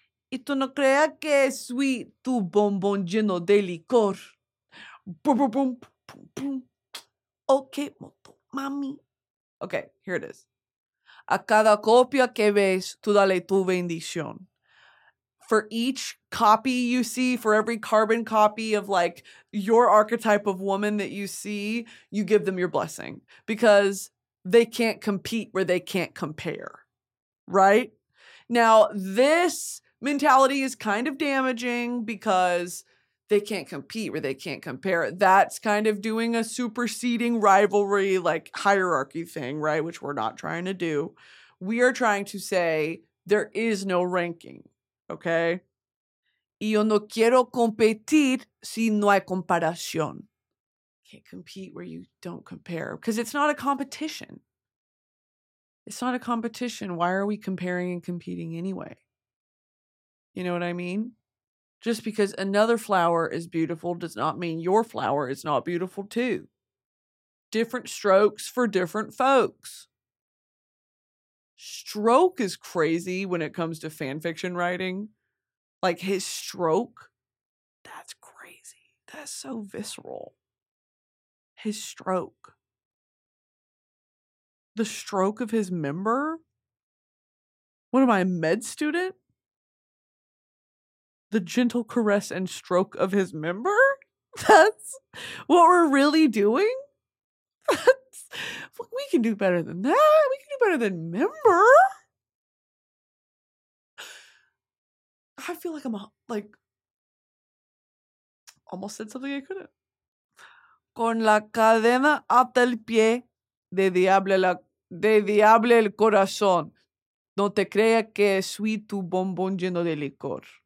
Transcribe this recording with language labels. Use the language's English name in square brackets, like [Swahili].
[Spanish] Y tú no creas que es sweet tu bombón lleno de licor. [English] Boom, boom, boom, boom, boom. Okay, Motomami. Okay, here it is. [Spanish] A cada copia que ves, tú dale tu bendición. [English] For each copy you see, for every carbon copy of like your archetype of woman that you see, you give them your blessing because they can't compete where they can't compare, right? Now, this mentality is kind of damaging because they can't compete where they can't compare. That's kind of doing a superseding rivalry, like hierarchy thing, right? Which we're not trying to do. We are trying to say there is no ranking, okay? [Spanish] Y yo no quiero competir si no hay comparación. [English] Can't compete where you don't compare because it's not a competition. It's not a competition. Why are we comparing and competing anyway? You know what I mean? Just because another flower is beautiful does not mean your flower is not beautiful too. Different strokes for different folks. Stroke is crazy when it comes to fan fiction writing. Like his stroke, that's crazy. That's so visceral. His stroke. The stroke of his member? What am I, a med student? The gentle caress and stroke of his member? That's what we're really doing? We can do better than that. We can do better than member. I feel like I'm like almost said something I couldn't. [Spanish] Con la cadena hasta el pie de diablo el corazón. No te creas que sweet tu bombón lleno de licor.